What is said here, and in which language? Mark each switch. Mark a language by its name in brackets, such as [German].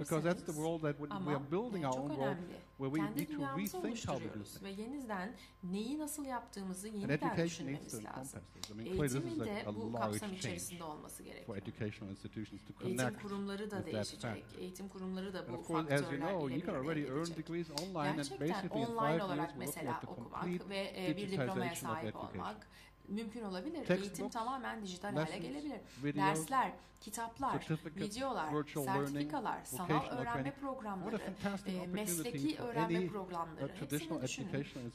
[English] Because that's the world that we are building our own world. Where we need to rethink how we do things. [Turkish] Ve yeniden neyi nasıl yaptığımızı yeniden düşünmemiz lazım. Eğitimin de bu kapsam içerisinde olması gerekiyor. [English] Educational institutions to connect. [Turkish] Eğitim kurumları da değişecek. Eğitim kurumları da bu faktörlerle ilgili. [English] As you know, you can already earn degrees online and basically in 5 years [Turkish] mesela okumak ve bir diplomaya sahip olmak. Mümkün olabilir. [English] Textbooks, [Turkish] eğitim tamamen dijital [English] lessons, [Turkish] hale gelebilir. [English] Videos, [Turkish] dersler, kitaplar, videolar, sertifikalar, sanal öğrenme programları, mesleki öğrenme programları, hepsini düşünün.